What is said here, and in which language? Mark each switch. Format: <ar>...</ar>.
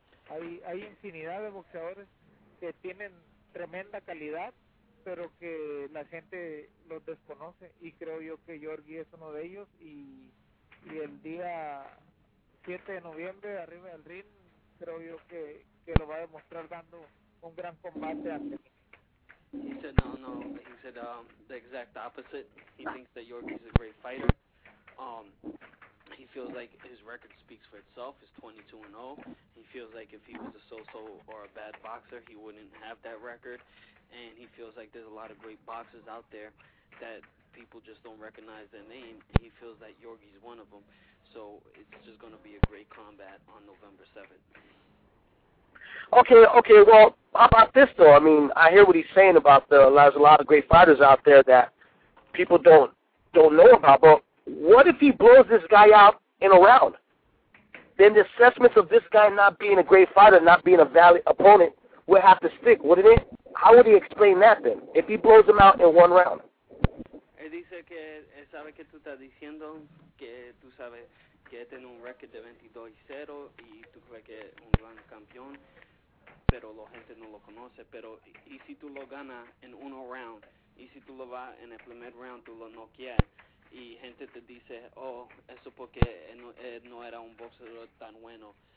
<es>Hay infinidad de boxeadores que tienen tremenda calidad, pero que la gente los desconoce, y creo yo que Yorgi es uno de ellos, y el día 7 de noviembre arriba del ring creo yo que lo va a demostrar dando un gran combate ante mí.</es> <en>He said no, he said the exact opposite. He thinks that Yorgi is a great fighter. He feels like his record speaks for itself. It's 22-0. He feels like if he was a so-so or a bad boxer, he wouldn't have that record. And he feels like there's a lot of great boxers out there that people just don't recognize their name. He feels that Yorgi's one of them. So it's just going to be a great combat on November 7th. Okay, well, how about this, though? I mean, I hear what he's saying about the, there's a lot of great fighters out there that people don't know about, but what if he blows this guy out in a round? Then the assessments of this guy not being a great fighter, not being a valid opponent, would have to stick, wouldn't it? How would he explain that, then, if he blows him out in one round?</en> <es>Él dice que él sabe que tú estás diciendo que tú sabes que tiene un récord de 22-0 y tú crees que es un gran campeón, pero la gente no lo conoce. Pero y si tú lo ganas en uno round, y si tú lo vas en el primer round, tú lo noqueas, y gente te dice, oh, eso porque él no era un boxeador tan bueno.</es>